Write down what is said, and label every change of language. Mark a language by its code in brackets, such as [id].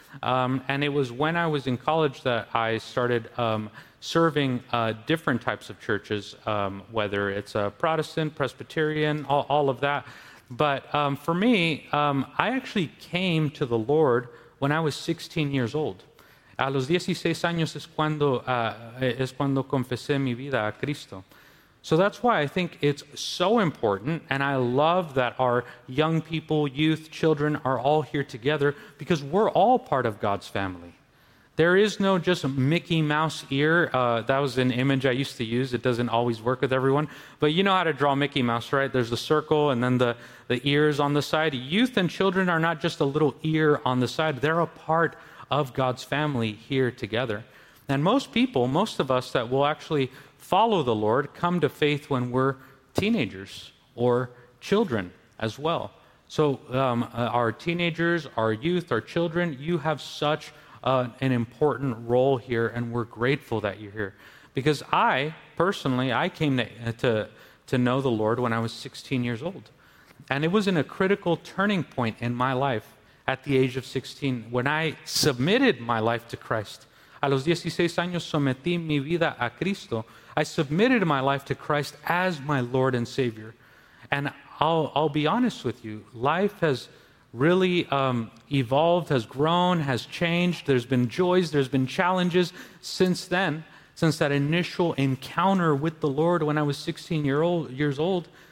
[en] And it was when I was in college that I started serving different types of churches, whether it's a Protestant, Presbyterian, all of that. But for me, I actually came to the Lord when I was 16 years old. [es] A los 16 años es cuando confesé mi vida a Cristo. [en] So that's why I think it's so important, and I love that our young people, youth, children are all here together, because we're all part of God's family. There is no just Mickey Mouse ear. That was an image I used to use. It doesn't always work with everyone. But you know how to draw Mickey Mouse, right? There's the circle and then the ears on the side. Youth and children are not just a little ear on the side. They're a part of God's family here together. And most people, most of us that will actually follow the Lord come to faith when we're teenagers or children as well. So our teenagers, our youth, our children, you have such an important role here, and we're grateful that you're here. Because I, personally, I came to know the Lord when I was 16 years old. And it was in a critical turning point in my life at the age of 16 when I submitted my life to Christ. [es] A los 16 años sometí mi vida a Cristo. [en] I submitted my life to Christ as my Lord and Savior. And I'll be honest with you, life has really evolved, has grown, has changed. There's been joys, there's been challenges since then, since that initial encounter with the Lord when I was 16 years old.